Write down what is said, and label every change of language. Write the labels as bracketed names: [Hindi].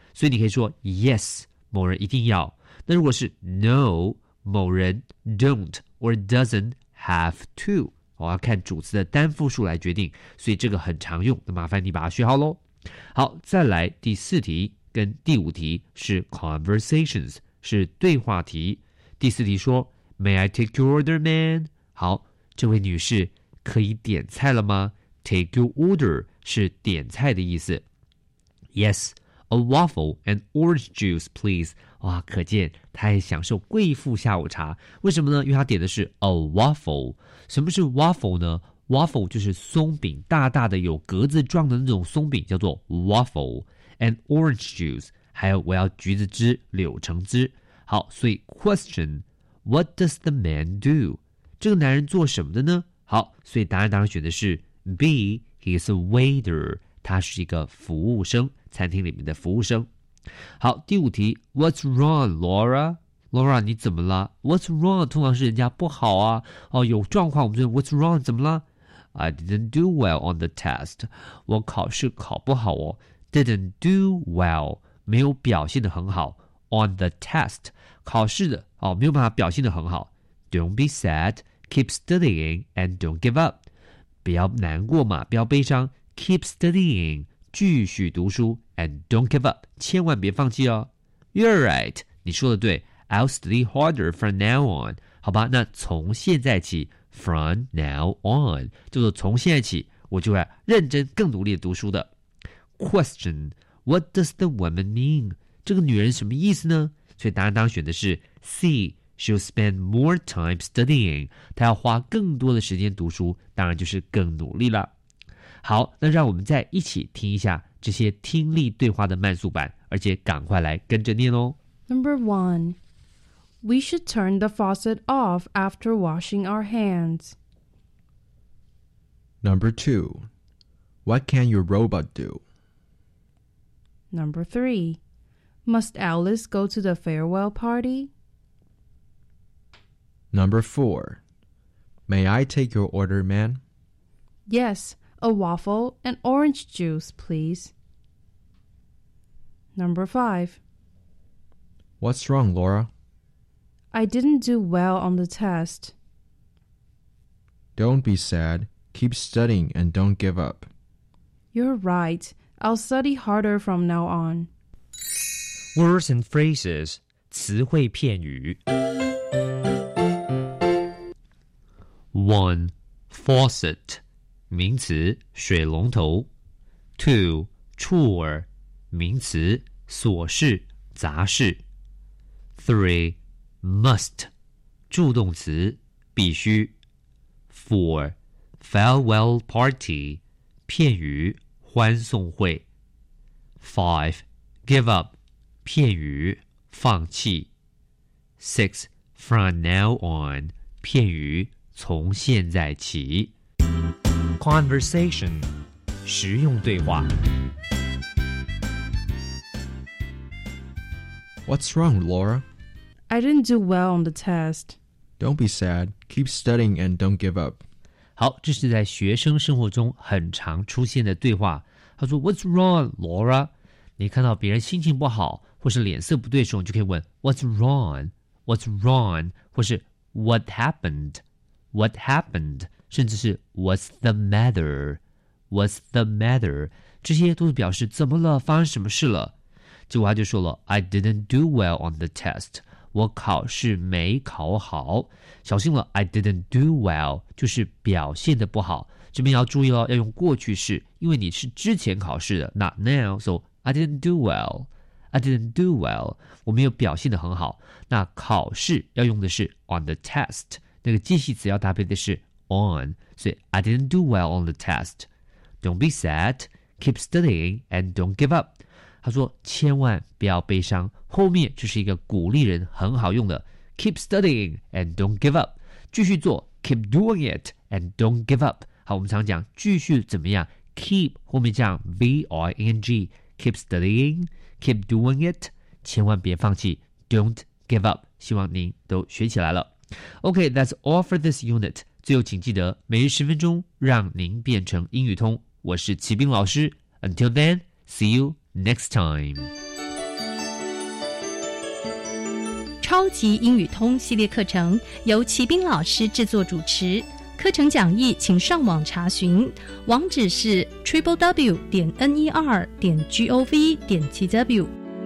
[Chinese] 所以你可以说 Yes， 某人一定要。那如果是 No， 某人 [English] Don't or doesn't have to， [Chinese] 我要看主词的单复数来决定。所以这个很常用，那麻烦你把它学好咯。好，再来第四题跟第五题是 conversations， 是对话题。第四题说 [English] May I take your order, man？ [Chinese] 好，这位女士可以点菜了吗？ [English] Take your order [Chinese] 是点菜的意思。 [English] Yes, a waffle and orange juice, please. [Chinese] 哇，可见他还享受贵妇下午茶。为什么呢？因为他点的是 a waffle。什么是 waffle 呢 ？Waffle 就是松饼，大大的有格子状的那种松饼，叫做 waffle。 [English] And orange juice， [Chinese] 还有我要橘子汁、柳橙汁。好，所以 [English] question， What does the man do？ [Chinese] 这个男人做什么的呢？好，所以答案当然选的是。 [English] B, he's a waiter. [Chinese] 他是一个服务生，餐厅里面的服务生。 [English] 好， [Chinese] 第五题 [English] ，What's wrong, Laura? Laura, [Chinese] 你怎么了 [English] ？What's wrong? [Chinese] 通常是人家不好啊，哦，有状况，我们就 [English] What's wrong? [Chinese] 怎么了 ？ [English] I didn't do well on the test. [Chinese] 我考试考不好哦。 [English] didn't do well, [Chinese] 没有表现得很好 [English] on the test, [Chinese] 考试的、哦、没有办法表现得很好。 [English] Don't be sad, keep studying, and don't give up. [Chinese] 不要难过嘛，不要悲伤 [English] keep studying, [Chinese] 继续读书 [English] and don't give up, [Chinese] 千万别放弃哦。 [English] You're right, [Chinese] 你说的对 [English] I'll study harder from now on. [Chinese] 好吧，那从现在起 [English] from now on, [Chinese] 就是从现在起我就会认真更努力的读书的。 [English] Question, what does the woman mean? [Chinese] 这个女人什么意思呢？所以答案当选的是 C, [English] she'll spend more time studying. [Chinese] 她要花更多的时间读书，当然就是更努力了。好，那让我们再一起听一下这些听力对话的慢速版，而且赶快来跟着念哦。 [English] Number one, we should turn the faucet off after washing our hands. Number two, what can your robot do? Number three, must Alice go to the farewell party? Number four, may I take your order, man? Yes, a waffle and orange juice, please. Number five, what's wrong, Laura? I didn't do well on the test. Don't be sad. Keep studying and don't give up. You're right. I'll study harder from now on. Words and phrases, [Chinese] 词汇片语。 1. Faucet, 名词水龙头。 2. Chore, 名词琐事杂事。 3. Must, 助动词必须。4. Farewell party, 片语欢送会。 5. Give up, 片语放弃。 6. From now on, 片语从现在起。 Conversation, 实用对话。 [English] What's wrong, Laura? I didn't do well on the test. Don't be sad. Keep studying and don't give up. [Chinese] 好，这是在学生生活中很常出现的对话。他说 [English] What's wrong, Laura? [Chinese] 你看到别人心情不好或是脸色不对的时候，你就可以问 [English] What's wrong? What's wrong? 或是 What happened? What happened? 甚至是 What's the matter? What's the matter? [Chinese] 这些都是表示怎么了，发生什么事了。结果他就说了 [English] I didn't do well on the test. [Chinese] 我考试没考好。小心了 [English] I didn't do well [Chinese] 就是表现得不好。这边要注意了，要用过去式，因为你是之前考试的 [English] not now, so I didn't do well, [Chinese] I didn't do well, 我没有表现得很好。那考试要用的是 [English] on the test, [Chinese] 那个介系词要搭配的是 on, 所以 [English] I didn't do well on the test. Don't be sad, keep studying and don't give up. [Chinese] 他说千万不要悲伤，后面这是一个鼓励人很好用的 [English] keep studying and don't give up, [Chinese] 继续做 [English] keep doing it and don't give up. [Chinese] 好，我们常讲继续怎么样 ？Keep 后面加 V-I-N-G, [English] keep studying, keep doing it, [Chinese] 千万别放弃 ， [English] Don't give up。 [Chinese] 希望您都学起来了。 [English] OK, that's all for this unit. [Chinese] 最后，请记得每日十分钟，让您变成英语通。我是齐斌老师。 [English] Until then, see you next time. [Chinese] 超级英语通系列课程由齐斌老师制作主持。课程讲义请上网查询，网址是 www.ner.gov.tw。